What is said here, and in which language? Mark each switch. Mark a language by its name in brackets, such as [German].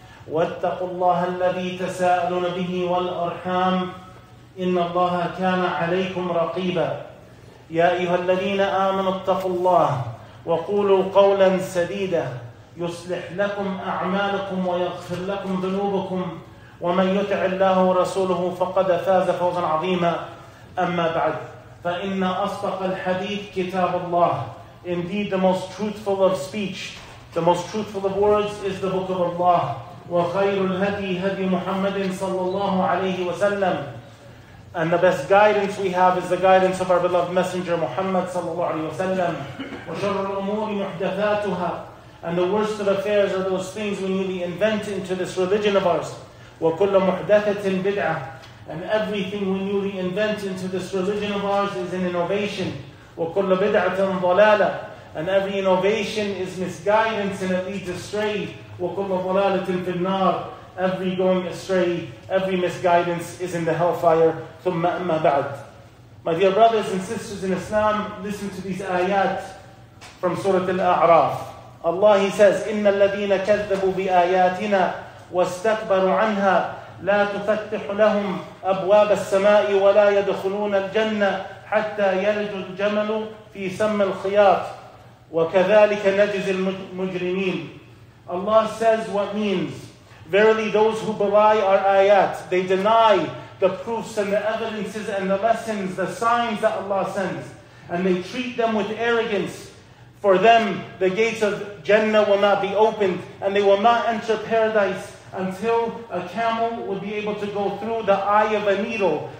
[Arabic] واتقوا الله الذي تساءلون به والأرحام إن الله كان عليكم رقيبا يا أيها الذين آمنوا اتقوا الله وقولوا قولا سديدا يصلح لكم أعمالكم ويغفر لكم ذنوبكم ومن يطع الله ورسوله فقد فاز فوزا عظيما أما بعد فإن أصدق الحديث كتاب الله [English] Indeed the most truthful of speech, the most truthful of words is the book of Allah. [Arabic] وخير الهدي هدي محمد صلى الله عليه وسلم. [English] And the best guidance we have is the guidance of our beloved messenger Muhammad [Arabic] صلى الله عليه وسلم. وشر الأمور محدثاتها. [English] And the worst of affairs are those things we newly invent into this religion of ours. [Arabic] وكل محدثة بدعة. [English] And everything we newly invent into this religion of ours is an innovation. [Arabic] وكل بدعة ضلالة. [English] And every innovation is misguidance and it leads astray. [Arabic] وَكُلَّ ضَلَالَةٍ فِي النَّارِ [English] Every going astray, every misguidance is in the hellfire. [Arabic] ثُمَّ أَمَّا بَعْدْ [English] My dear brothers and sisters in Islam, listen to these ayat from Surah Al-A'raf. Allah, He says, [Arabic] إِنَّ الَّذِينَ كَذَّبُوا بِآيَاتِنَا وَاسْتَكْبَرُوا عَنْهَا لَا تُفَتِّحُ لَهُمْ أَبْوَابَ السَّمَاءِ وَلَا يَدْخُلُونَ الْجَنَّةِ حَتَّى يَلِجُ الْجَمَلُ فِي سَمِّ الْخِيَاطِ وَكَذَلِكَ نَجْزِي الْمُجْرِمِينَ [English] Allah says what means. Verily those who belie our ayat, they deny the proofs and the evidences and the lessons, the signs that Allah sends. And they treat them with arrogance. For them, the gates of Jannah will not be opened. And they will not enter paradise until a camel will be able to go through the eye of a needle.